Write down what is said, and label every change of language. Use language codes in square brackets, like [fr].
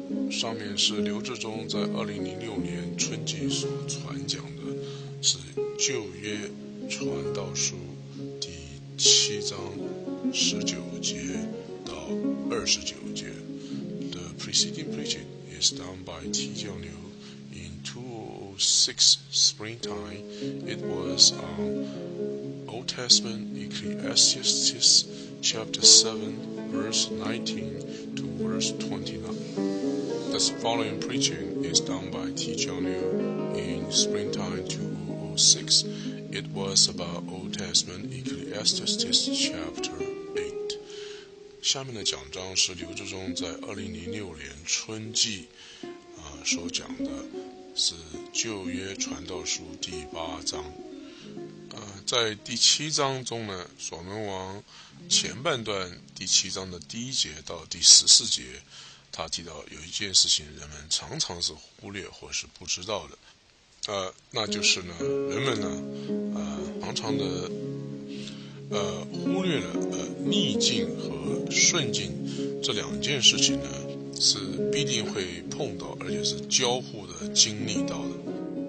[zh] 上面是刘志忠在2006年春季所传讲的，是旧约传道书第七章十九节到二十九节。 [en] The preceding preaching is done by Tze-John in 2006. 1996 springtime, it was on Old Testament Ecclesiastes chapter 7, verse 19 to verse 29. This following preaching is done by Tze-John in springtime 2006. It was about Old Testament Ecclesiastes chapter 8. [zh] 下面的讲章是刘志忠在2006年春季所讲的，是旧约传道书第八章。在第七章中呢，所罗门王前半段第七章的第一节到第十四节，他提到有一件事情人们常常是忽略或是不知道的，那就是呢，人们呢，常常的，忽略了逆境和顺境这两件事情呢，是必定会碰到，而且是交互的经历到的。